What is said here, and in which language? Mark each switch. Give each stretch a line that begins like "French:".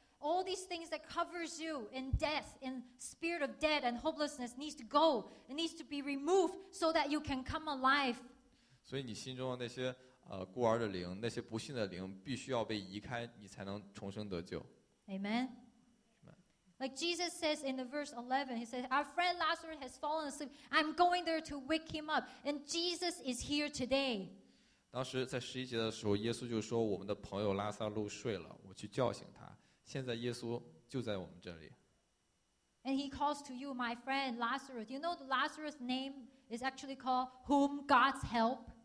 English: All these things that covers you in death, in spirit of death and hopelessness needs to go. It needs to be removed so that you can come alive.
Chinese: 所以你心中的那些孤儿的灵，那些不信的灵，必须要被移开，你才能重生得救。
English: Amen. Like Jesus says in the verse 11, he says, our friend Lazarus has fallen asleep. I'm going there to wake him up. And Jesus is here today.
Chinese: 当时在十一节的时候，耶稣就说，我们的朋友拉撒路睡了，我去叫醒他。现在耶稣就在我们这里。
English: And he calls to you, my friend Lazarus. You know Lazarus' name is actually called whom God's help.